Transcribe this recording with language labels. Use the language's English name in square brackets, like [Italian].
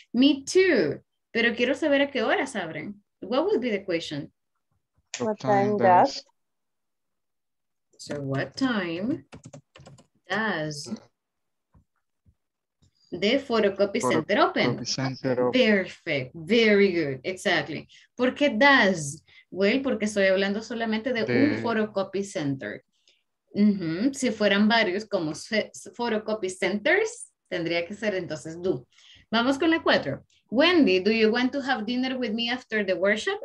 [English] Me too. [Spanish] Pero quiero saber a qué horas abren. [English] What would be the question? What time does... So what time does the photocopy center open? Perfect. Very good. Exactly. [Spanish] ¿Por qué [English] does? [Spanish] Well, porque estoy hablando solamente de un photocopy center. Mm-hmm. Si fueran varios como photocopy centers, tendría que ser entonces do. Vamos con la cuatro. [English] Wendy, do you want to have dinner with me after the workshop?